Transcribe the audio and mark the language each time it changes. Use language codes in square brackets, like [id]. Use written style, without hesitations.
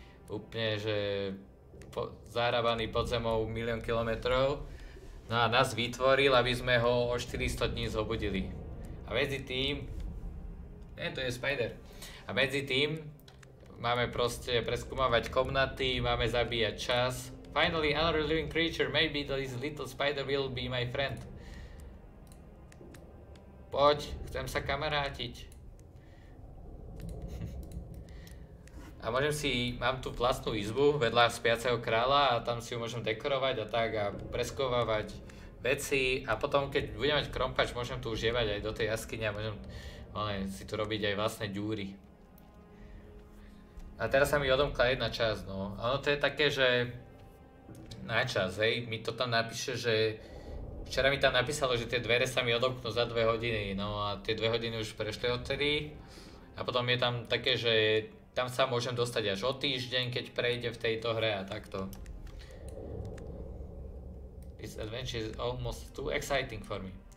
[sk] Úplne, že zahrabaný pod zemou milión kilometrov. No a nás vytvoril, aby sme ho o 400 dní zobudili. A medzi tým... Nie, to je spider. A medzi tým máme proste preskúmavať komnaty, máme zabíjať čas. [en] Finally, another living creature, maybe this little spider will be my friend. [sk] Poď, chcem sa kamarátiť. A môžem si, mám tu vlastnú izbu vedľa spiaceho kráľa a tam si ju môžem dekorovať a tak a preskúmavať veci a potom keď budem mať krompač, môžem tu užievať aj do tej jaskyne a môžem si tu robiť aj vlastné ďúry. A teraz sa mi odomkla jedna časť, no. A ono to je také, že... Na čas, hej, mi to tam napíše, že... Včera mi tam napísalo, že tie dvere sa mi odomknú za 2 hodiny, no a tie 2 hodiny už prešli odtedy. A potom je tam také, že... Tam sa môžem dostať až o týždeň, keď prejde v tejto hre a takto. [en] This adventure is almost too exciting for me.